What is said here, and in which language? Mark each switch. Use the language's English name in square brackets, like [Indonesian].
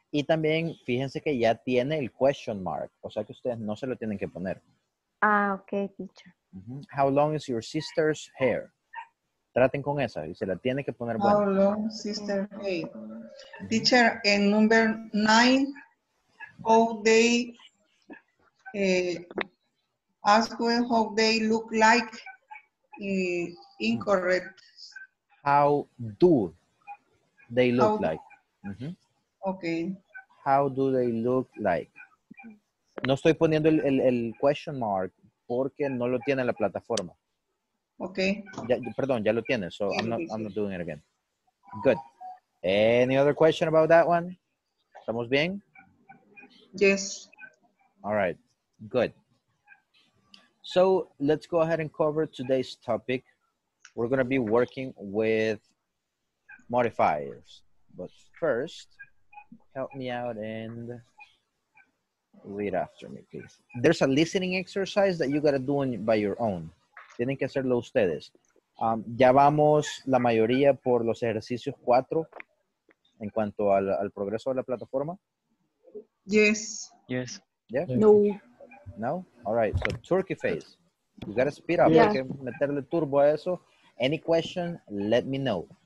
[Spanish] Y también, fíjense que ya tiene el question mark. O sea que ustedes no se lo tienen que poner. [English] Ah, okay, teacher. Mm-hmm. How long is your sister's hair? [Spanish] Traten con esa y se la tiene que poner buena. [English] How long, sister? Hey. Teacher, en number 9, how they ask when how they look like incorrect. How do they look how, like? Mm-hmm. Okay. How do they look like? [Spanish] No estoy poniendo el question mark porque no lo tiene la plataforma. [English] Okay. [Spanish] Ya, perdón, ya lo tiene, [English] so I'm not doing it again. Good. Any other question about that one? [Spanish] ¿Estamos bien? [English] Yes. All right. Good. So let's go ahead and cover today's topic. We're going to be working with modifiers. But first, help me out and read after me, please. There's a listening exercise that you got to do on, by your own. [Spanish] Tienen que hacerlo ustedes. Ya vamos la mayoría por los ejercicios 4 en cuanto al progreso de la plataforma. [English] Yes. Yes. Yeah? No. No? All right. So, turkey face. You got to speed up. Yeah. [Spanish] Hay que meterle turbo a eso. [English] Any question, let me know.